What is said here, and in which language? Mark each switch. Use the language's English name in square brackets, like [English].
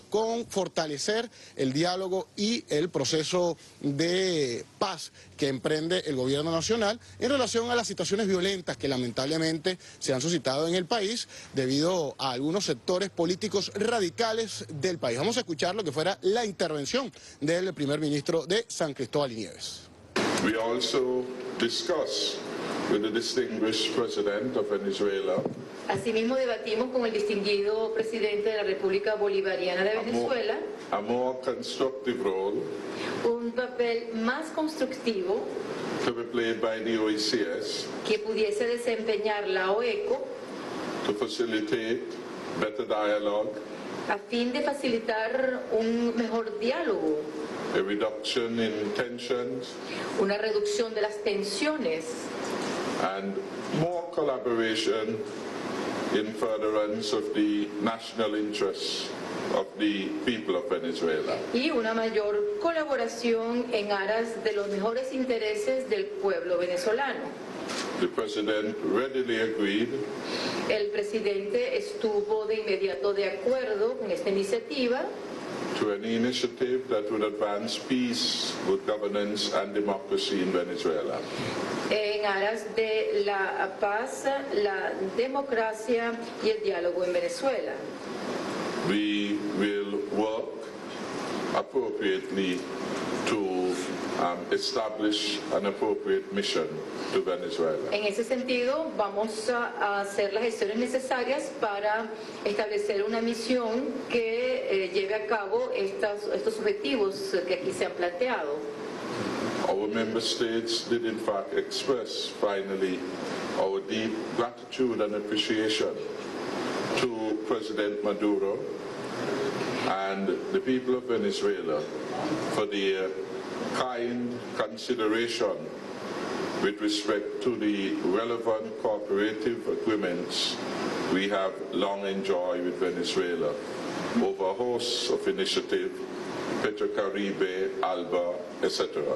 [Spanish] Con fortalecer el diálogo y el proceso de paz que emprende el gobierno nacional en relación a las situaciones violentas que lamentablemente se han suscitado en el país debido a algunos sectores políticos radicales del país. Vamos a escuchar lo que fuera la intervención del primer ministro de San Cristóbal y Nieves. [English] We also discuss with the distinguished president of Venezuela. [Spanish] Asimismo debatimos con el distinguido presidente de la República Bolivariana de Venezuela. [English] A more constructive role. [Spanish] Un papel más constructivo. [English] To be played by the OECS. [Spanish] Que pudiese desempeñar la OECO. [English] To facilitate better dialogue. [Spanish] A fin de facilitar un mejor diálogo. [English] A reduction in tensions, [Spanish] una reducción de las tensiones, [English] and more collaboration in furtherance of the national interests of the people of Venezuela. [Spanish] Y una mayor colaboración en aras de los mejores intereses del pueblo venezolano. [English] The president readily agreed. [Spanish] El presidente estuvo de inmediato de acuerdo con esta iniciativa. [English] To an initiative that would advance peace, good governance, and democracy in Venezuela. [Spanish] En aras de la paz, la democracia y el diálogo en Venezuela. [English] We will work appropriately to establish an appropriate mission to Venezuela. [Spanish] En ese sentido, vamos a hacer las gestiones necesarias para establecer una misión que lleve a cabo estos objetivos que aquí se han planteado. [English] Our member states did in fact express finally our deep gratitude and appreciation to President Maduro and the people of Venezuela for the kind consideration with respect to the relevant cooperative agreements we have long enjoyed with Venezuela over a host of initiatives, Petrocaribe, ALBA, etc.